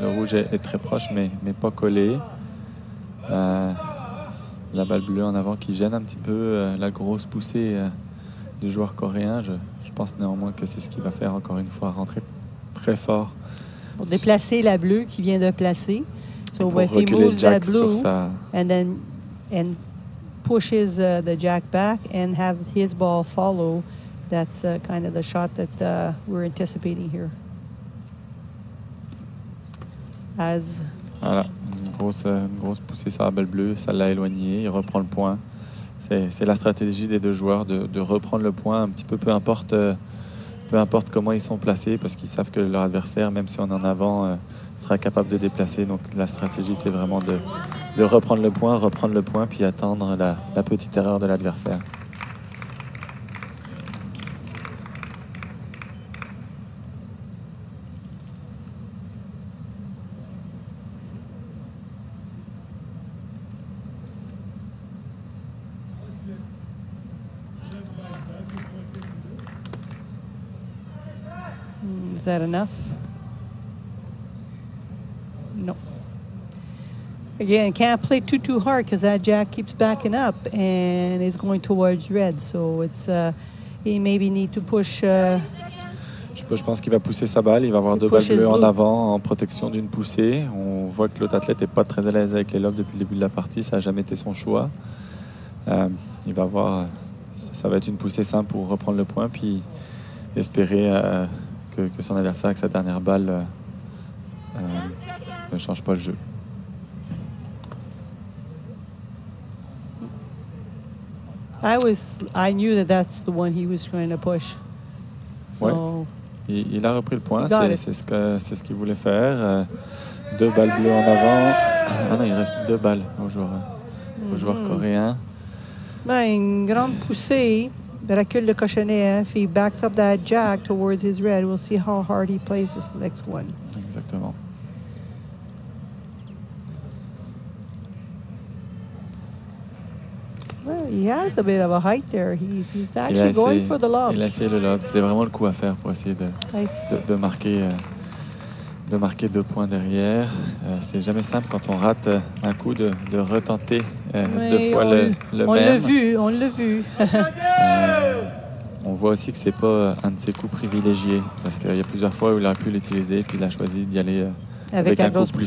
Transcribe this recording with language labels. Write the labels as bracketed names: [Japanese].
[French] Le rouge est très proche, mais pas collé. La balle bleue en avant qui gêne un petit peu la grosse poussée du joueur coréen. Je pense néanmoins que c'est ce qu'il va faire encore une fois, rentrer très fort. Pour déplacer la bleue qu'il vient de placer. [English] So [French] pour reculer le jack sur sa. [English] And pushes the jack back and have his ball follow. That's kind of the shot that we're anticipating here. As [French] voilà, une grosse poussée sur la balle bleue, ça l'a éloigné, il reprend le point. C'est la stratégie des deux joueurs de reprendre le point un petit peu, peu importe comment ils sont placés, parce qu'ils savent que leur adversaire, même si on est en avant, sera capable de déplacer. Donc la stratégie, c'est vraiment de reprendre le point, puis attendre la petite erreur de l'adversaire. [English] Is that enough? No. Again, can't play too hard because that jack keeps backing up and is going towards red. So it's he maybe need to push. [French] Je pense qu'il va pousser sa balle. Il va avoir deux balles bleues en avant en protection d'une poussée. On voit que l'autre athlète n'est pas très à l'aise avec les lobes depuis le début de la partie. Ça n'a jamais été son choix. Il va voir. Ça va être une poussée simple pour reprendre le point puis espérer. Que son adversaire avec sa dernière balle ne change pas le jeu. [English] I knew that that's the one he was trying to push. So [French] ouais. Il a repris le point. C'est ce qu'il voulait faire. Deux balles bleues en avant. Ah non, il reste deux balles au joueur coréen. Ben, une grande poussée. Recul de cochonnet. [English] If he backs up that jack towards his red, we'll see how hard he plays this next one. [French] Exactement. [English] Well, he has a bit of a height there. He's actually [French] essayé, [English] going for the lob. [French] Il a essayé le lob. C'était vraiment le coup à faire pour essayer de marquer deux points derrière. C'est jamais simple quand on rate un coup de retenter deux fois le on même. On l'a vu. On voit aussi que c'est pas un de ses coups privilégiés parce qu'il y a plusieurs fois où il aurait pu l'utiliser puis il a choisi d'y aller avec un coup plus poussée.